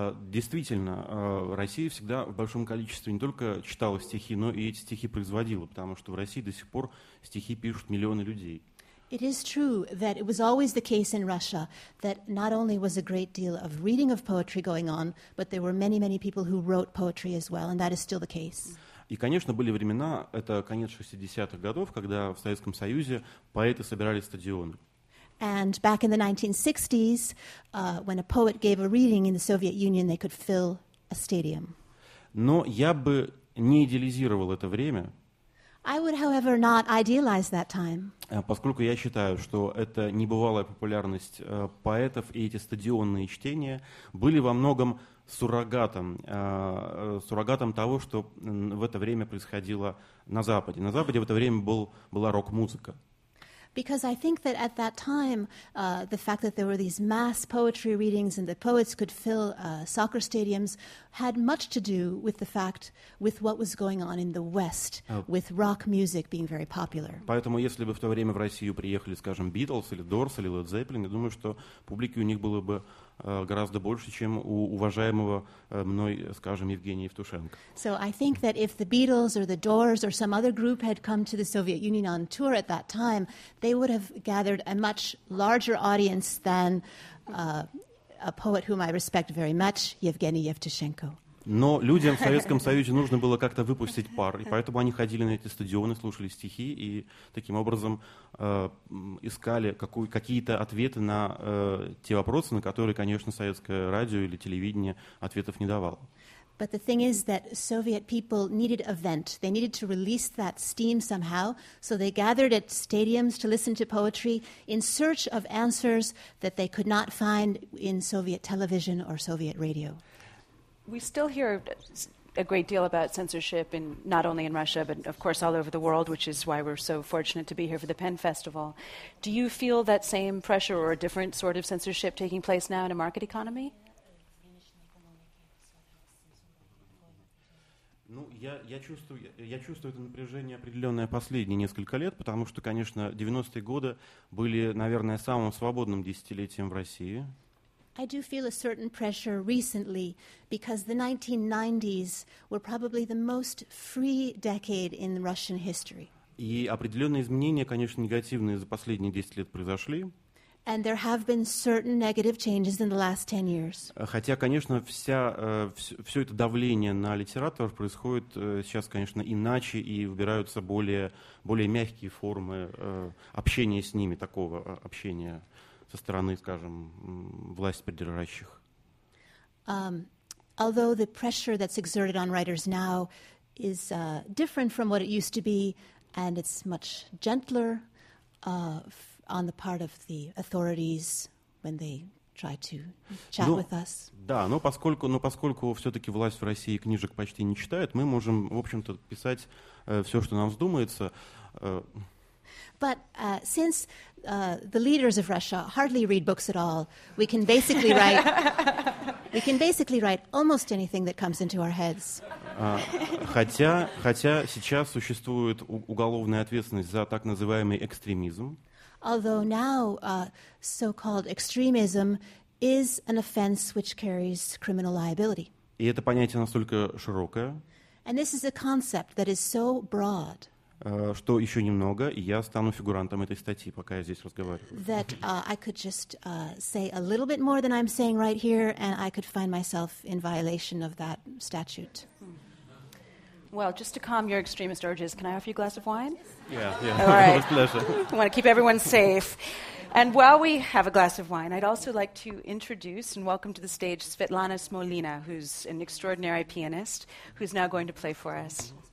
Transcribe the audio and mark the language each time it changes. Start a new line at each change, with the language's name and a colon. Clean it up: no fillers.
Russian: Действительно, Россия всегда в большом количестве не только читала стихи, но и эти стихи производила, потому что в России до сих пор стихи пишут миллионы людей.
English: It is true that it was always the case in Russia that not only was a great deal of reading of poetry going on, but there were many, many people who wrote poetry as well, and that is still the case.
Russian: И, конечно, были времена, это конец 60-х годов, когда в Советском Союзе поэты собирали стадионы.
English: And back in the 1960s, when a poet gave a reading in the Soviet Union, they could fill a stadium.
Russian: Но я бы не идеализировал это время.
English: I would, however, not idealize that time.
Russian: Поскольку я считаю, что это небывалая популярность поэтов и эти стадионные чтения были во многом суррогатом того, что в это время происходило на Западе. На Западе в это время была рок-музыка.
English: Because I think that at that time, the fact that there were these mass poetry readings and the poets could fill soccer stadiums had much to do with the fact with what was going on in the West, with rock music being very popular.
Russian: Поэтому, если бы в то время в Россию приехали, скажем, Beatles или Doors или Led Zeppelin, я думаю, что публики у них было бы гораздо больше, чем у уважаемого мной, скажем, Евгения Евтушенко.
English: So I think that if the Beatles or the Doors or some other group had come to the Soviet Union on tour at that time, they would have gathered a much larger audience than a poet whom I respect very much, Евгений Евтушенко.
Russian: Но людям в Советском Союзе нужно было как-то выпустить пар, и поэтому они ходили на эти стадионы, слушали стихи и таким образом искали какие-то ответы на те вопросы, на которые, конечно, советское радио или телевидение ответов не давало.
English: But the thing is that Soviet people needed a vent. They needed to release that steam somehow. So they gathered at stadiums to listen to poetry in search of answers that they could not find in Soviet television or Soviet radio. We still hear a great deal about censorship in not only in Russia, but of course all over the world, which is why we're so fortunate to be here for the Penn Festival. Do you feel that same pressure or a different sort of censorship taking place now in a market economy?
Russian: Ну, я чувствую это напряжение определенное последние несколько лет, потому что, конечно, 90-е годы были, наверное, самым свободным десятилетием в России.
English: I do feel a certain pressure recently because the 1990s were probably the most free decade in Russian history.
Russian: И определенные изменения, конечно, негативные за последние 10 лет произошли.
English: And there have been certain negative changes in the last 10 years.
Russian: Хотя, конечно, вся все это давление на литераторов происходит сейчас, конечно, иначе, и выбираются более мягкие формы общения с ними, такого общения со стороны, скажем, власть придержащих.
English: Although the pressure that's exerted on writers now is different from what it used to be, and it's much gentler on the part of the authorities when they try to chat with us.
Russian: Да, но поскольку все-таки власть в России книжек почти не читает, мы можем, в общем-то, писать все, что нам вздумается.
English: But since the leaders of Russia hardly read books at all, we can basically write almost anything that comes into our heads.
Russian: Хотя сейчас существует уголовная ответственность за так называемый экстремизм.
English: Although now so-called extremism is an offense which carries criminal liability.
Russian: И это понятие настолько широкое.
English: And this is a concept that is so broad.
Russian: Что еще немного, и я стану фигурантом этой статьи, пока я здесь разговариваю.
English: That I could just say a little bit more than I'm saying right here, and I could find myself in violation of that statute. Well, just to calm your extremist urges, can I offer you a glass of wine? Yeah. All right. Pleasure. I want to keep everyone safe. And while we have a glass of wine, I'd also like to introduce and welcome to the stage Svetlana Smolina, who's an extraordinary pianist, who's now going to play for us.